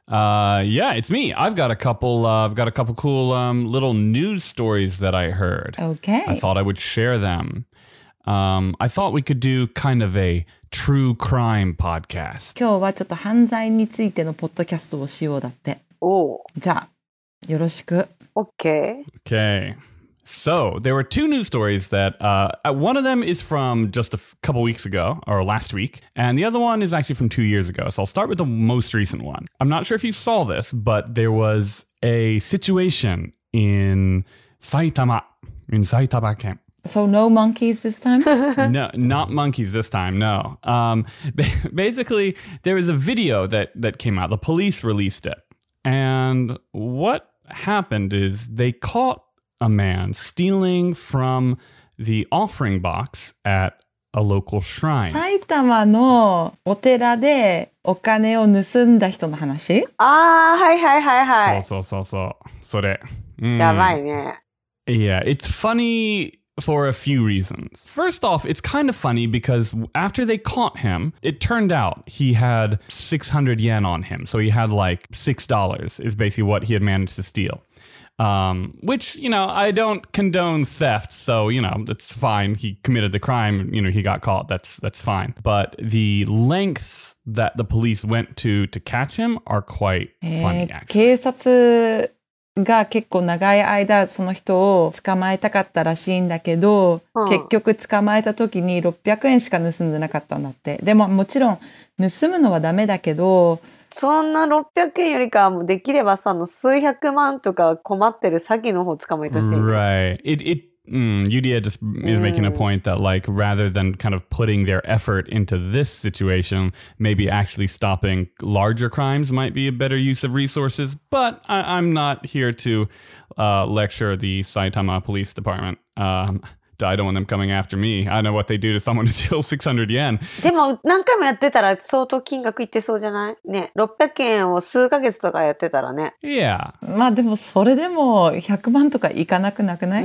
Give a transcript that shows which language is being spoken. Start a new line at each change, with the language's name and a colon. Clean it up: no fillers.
English: Yeah, it's me. I've got a couple cool little news stories that I heard. Okay. I thought I would share them. I thought we could do kind of a true crime podcast.
Japanese: 今日はちょっと犯罪についてのポッドキャストをしようだって。おお。じゃあ、よろしく。
English: Okay. Okay. So, there were two news stories that, one of them is from just a couple weeks ago, or last week, and the other one is actually from 2 years ago. So I'll start with the most recent one. I'm not sure if you saw this, but there was a situation in Saitama, in Saitama camp. So no monkeys this time? No, not monkeys this time, no. Basically, there was a video that came out. The police released it. And what happened is they caught a man stealing from the offering box at a local shrine.
Japanese: 埼玉のお寺でお金を盗んだ人の話？ああ、はいはいはいはい。そうそうそうそう。それ。やばいね。
English: Yeah, it's funny... For a few reasons. First off, it's kind of funny because after they caught him, it turned out he had 600 yen on him. So he had like $6 is basically what he had managed to steal. Which, you know, I don't condone theft. So, you know, that's fine. He committed the crime. You know, he got caught. That's fine. But the lengths that the police went to catch him are quite funny, actually.
Japanese: が結構長い間その人を捕まえたかったらしいんだけど、うん、結局捕まえた時に600円しか盗んでなかったんだって。でももちろん盗むのはダメだけど、そんな600円よりかはもうできればさ、あの数百万とか困ってる詐欺の方捕まえてほしい。
English: Right. Yudia just is making a point that like rather than kind of putting their effort into this situation, maybe actually stopping larger crimes might be a better use of resources. But I'm not here to lecture the Saitama Police Department. I don't want them coming after me. I know what they do to someone who steals 600 yen.
Japanese: でも何回もやってたら相当金額いってそうじゃない？ね、600円を数ヶ月とかやってたらね。
English: Yeah.
Japanese: まあでもそれでも100万とかいかなくなくない？